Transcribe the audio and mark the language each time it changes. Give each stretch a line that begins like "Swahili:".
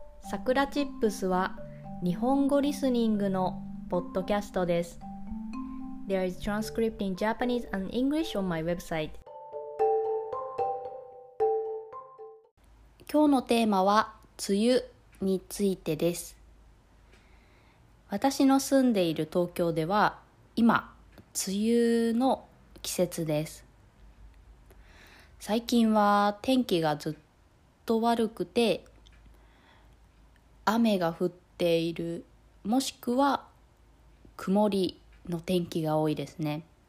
Japanese: さくらチップスは日本語リスニングのポッドキャストです。
English: There is transcript in Japanese and English on my website。
Japanese: 今日のテーマは梅雨についてです。私の住んでいる東京では今梅雨の季節です。最近は天気がずっと悪くて雨が降っている、もしくは曇りの天気が多いですね。